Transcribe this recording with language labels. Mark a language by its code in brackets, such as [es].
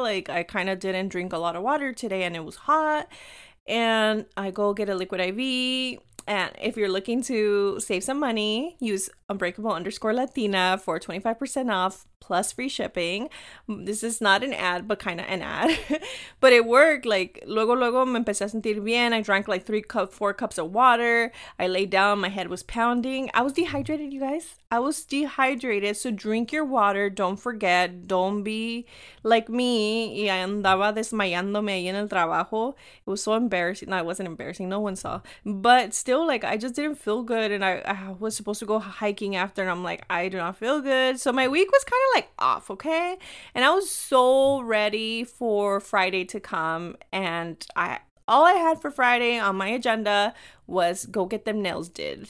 [en] Like, I kind of didn't drink a lot of water today and it was hot. And I go get a liquid IV. And if you're looking to save some money, use Unbreakable underscore Latina for 25% off plus free shipping. This is not an ad, but kind of an ad. But it worked. Like, [es] luego, luego, me empecé a sentir bien. [en] I drank like 3 cups, 4 cups of water. I laid down. My head was pounding. I was dehydrated, you guys. I was dehydrated. So drink your water. Don't forget. Don't be like me. [es] Y andaba desmayándome ahí en el trabajo. [en] It was so embarrassing. No, it wasn't embarrassing. No one saw. But still, like, I just didn't feel good. And I was supposed to go hiking after, and I'm like, I do not feel good. So my week was kind of like off, okay? And I was so ready for Friday to come, and all I had for Friday on my agenda was go get them nails did.